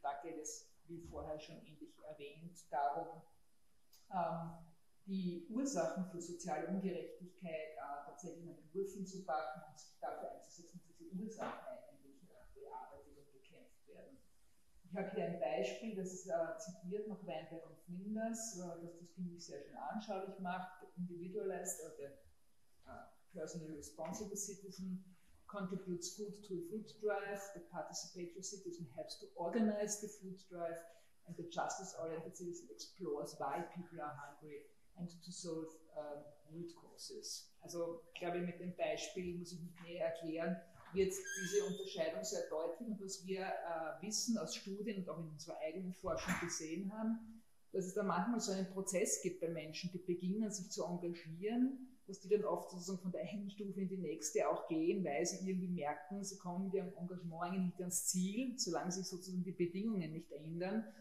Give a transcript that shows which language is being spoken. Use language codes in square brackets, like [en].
[de] Da geht es, wie vorher schon ähnlich erwähnt, darum, die Ursachen für soziale Ungerechtigkeit tatsächlich an den Wurzeln zu packen und sich dafür einzusetzen, dass diese Ursachen eigentlich bearbeitet und bekämpft werden. Ich habe hier ein Beispiel, das ist zitiert nach Weinberg und Flinders, das das finde ich sehr schön anschaulich macht. [en] Individualized [de] oder [en] the Personally Responsible Citizen contributes food to a food drive, the participatory citizen helps to organize the food drive, and the justice-oriented citizen explores why people are hungry and to solve root causes. [de] Also, ich glaube, mit dem Beispiel muss ich nicht mehr erklären, wird diese Unterscheidung sehr deutlich. Und was wir wissen aus Studien und auch in unserer eigenen Forschung gesehen haben, dass es da manchmal so einen Prozess gibt bei Menschen, die beginnen, sich zu engagieren, dass die dann oft sozusagen von der einen Stufe in die nächste auch gehen, weil sie irgendwie merken, sie kommen mit ihrem Engagement eigentlich nicht ans Ziel, solange sich sozusagen die Bedingungen nicht ändern.